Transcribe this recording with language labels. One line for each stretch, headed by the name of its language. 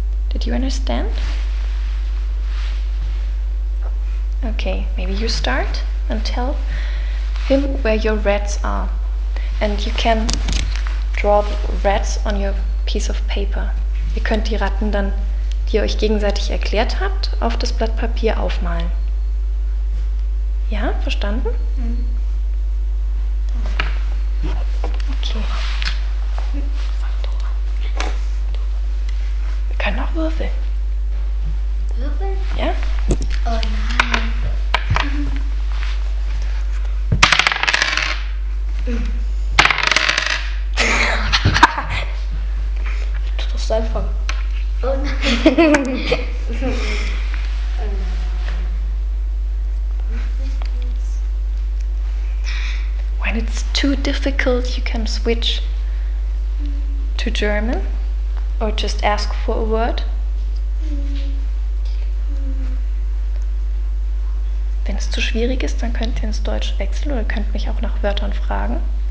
English: Did you understand? Okay, maybe you start and tell him where your rats are. And you can draw the rats on your piece of paper.
German: Ihr könnt die Ratten dann, die ihr euch gegenseitig erklärt habt, auf das Blatt Papier aufmalen. Ja, verstanden? Okay. Wir können auch würfeln. Würfeln? Ja. Oh nein. Du darfst anfangen. Oh nein.
English: When it's too difficult, you can switch to German or just ask for a word.
German: Wenn es zu schwierig ist, dann könnt ihr ins Deutsch wechseln oder könnt mich auch nach Wörtern fragen.